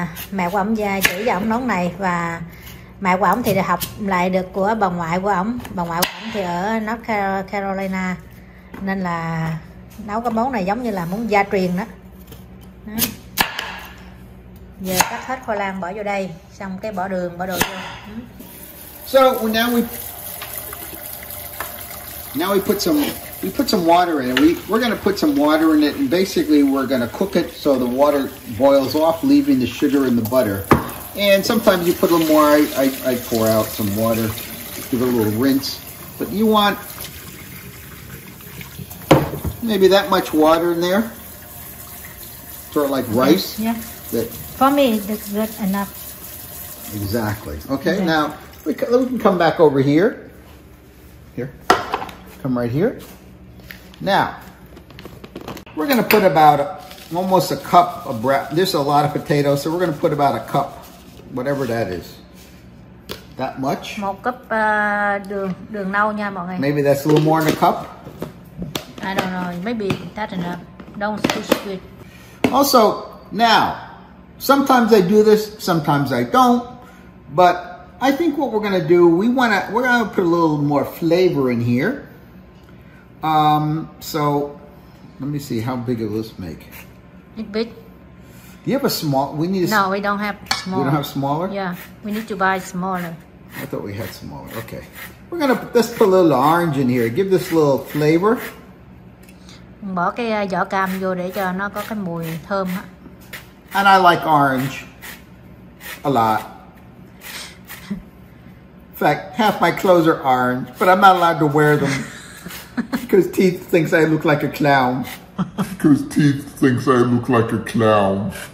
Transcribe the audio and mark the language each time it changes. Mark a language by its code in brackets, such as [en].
[vi] Mẹ của ông chỉ cho ông nấu này, và mẹ của ông thì học lại được của bà ngoại của ông. Bà ngoại của ông thì ở North Carolina, nên là nấu cái món này giống như là món gia truyền đó. Giờ cắt hết khoai lang bỏ vô đây, xong cái bỏ đường, bỏ đồ vô. [en] So now we put some water in it. We're going to put some water in it, and basically we're going to cook it so the water boils off, leaving the sugar and the butter. And sometimes you put a little more. I pour out some water, give it a little rinse. But you want maybe that much water in there, sort of like rice. Yeah. That for me, that's good enough. Exactly. Okay. Okay. Now we can come back over here. Here, come right here. Now we're going to put about almost a cup of bread. There's a lot of potatoes, so we're going to put about a cup. Whatever that is, that much. [vi] Một cup đường nâu nha mọi người. [en] Maybe that's a little more than a cup. I don't know. Maybe that's enough. Don't squish it. Also, now, sometimes I do this, sometimes I don't. But I think what we're gonna do, we're gonna put a little more flavor in here. So let me see, how big of this make. It's big. You have a small. We need. No, we don't have smaller. We don't have smaller. Yeah, we need to buy smaller. I thought we had smaller. Okay, we're gonna just put a little orange in here. Give this a little flavor. [vi] Bỏ cái vỏ cam vô để cho nó có cái mùi thơm. [en] And I like orange a lot. In fact, half my clothes are orange, but I'm not allowed to wear them because Teeth thinks I look like a clown. Because Teeth thinks I look like a clown.